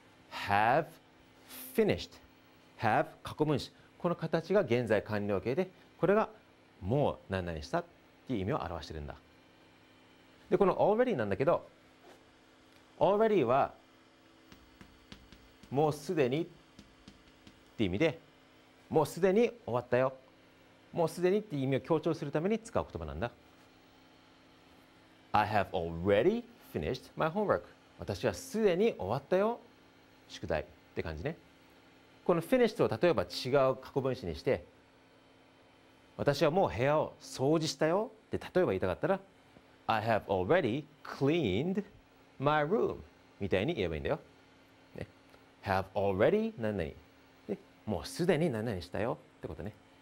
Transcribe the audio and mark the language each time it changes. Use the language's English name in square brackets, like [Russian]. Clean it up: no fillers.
[Japanese] have finished、 have 過去分詞、この形が現在完了形で、これがもう何々したっていう意味を表してるんだ。で、この already なんだけど、 already はもうすでにって意味で、もうすでに終わったよ、もうすでにっていう意味を強調するために使う言葉なんだ。 [English] I have already finished my homework。 [Japanese] 私はすでに終わったよ宿題って感じね。この finished を例えば違う過去分詞にして、私はもう部屋を掃除したよって例えば言いたかったら [English] I have already cleaned my room [Japanese] みたいに言えばいいんだよ、ね、Have already 何々で、もうすでに何々したよってことね。